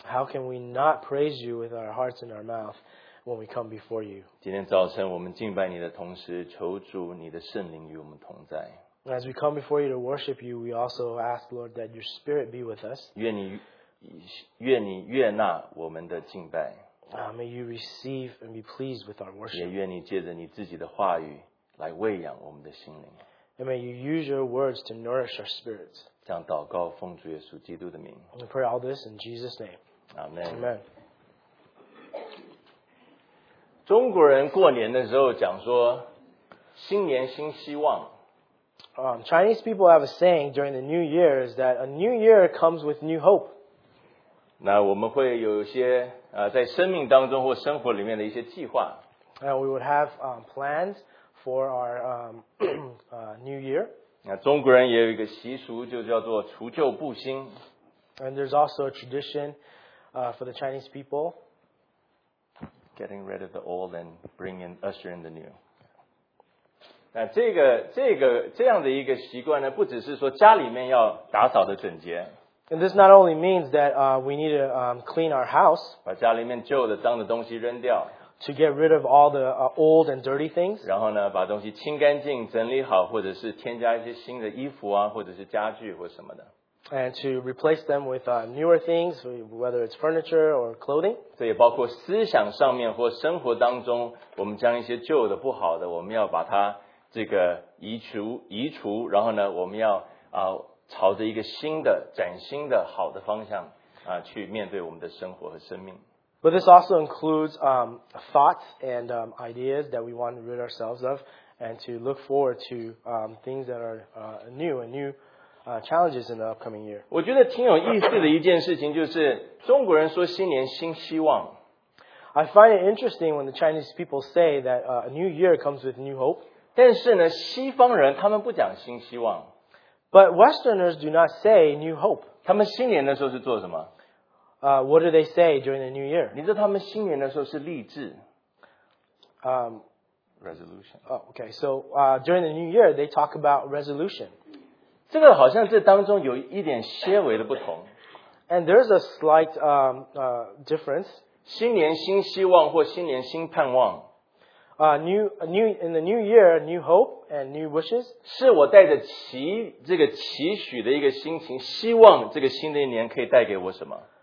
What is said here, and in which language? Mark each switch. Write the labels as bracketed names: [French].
[English] How can we not praise you with our hearts and our mouth when we come before you? [Chinese] 今天早晨我们敬拜你的同时，求主你的圣灵与我们同在。 [English] As we come before you to worship you, we also ask, Lord, that your spirit be with us. [Chinese] 愿你悦纳我们的敬拜。 [English] May you receive and be pleased with our worship. [Chinese] 也愿你借着你自己的话语来喂养我们的心灵。 [English] And may you use your words to nourish our spirits. [Chinese] 这样祷告奉主耶稣基督的名。 [English] We pray all this in Jesus' name. Amen. Amen. [Chinese] 中国人过年的时候讲说，新年新希望。 [English] Chinese people have a saying during the New Year is that a new year comes with new hope. [Chinese] 那我们会有一些在生命当中或生活里面的一些计划。 [English] And we would have plans for our New Year. [Chinese] 那中国人也有一个习俗，就叫做除旧布新。 [English] And there's also a tradition for the Chinese people. Getting rid of the old and usher in the new. [Chinese] 这样的一个习惯呢，不只是说家里面要打扫的整洁。 [English] And this not only means that we need to clean our house. [Chinese] 把家里面旧的脏的东西扔掉。 [English] To get rid of all the old and dirty things. [Chinese] 然后呢，把东西清干净、整理好，或者是添加一些新的衣服啊，或者是家具或什么的。 [English] And to replace them with newer things, whether it's furniture or clothing. [Chinese] 这也包括思想上面或生活当中，我们将一些旧的、不好的，我们要把它。这个移除，然后呢，我们要朝着一个新的、崭新的、好的方向去面对我们的生活和生命。 [English] But this also includes thoughts and ideas that we want to rid ourselves of, and to look forward to things that are new challenges in the upcoming year. [Chinese] 我觉得挺有意思的一件事情就是中国人说新年新希望。 [English] I find it interesting when the Chinese people say that a new year comes with new hope. [Chinese] 但是呢，西方人他们不讲新希望。 [English] But Westerners do not say new hope. [Chinese] 他们新年的时候是做什么？ [English] What do they say during the New Year? [Chinese] 你知道他们新年的时候是立志。 [English] resolution. Oh, okay. So during the New Year, they talk about resolution. [Chinese] 这个好像这当中有一点些微的不同。 [English] And there's a slight difference. [Chinese] 新年新希望或新年新盼望。 [English] In the New Year, new hope and new wishes. [Chinese] 是我带着这个期许的一个心情，希望这个新的一年可以带给我什么？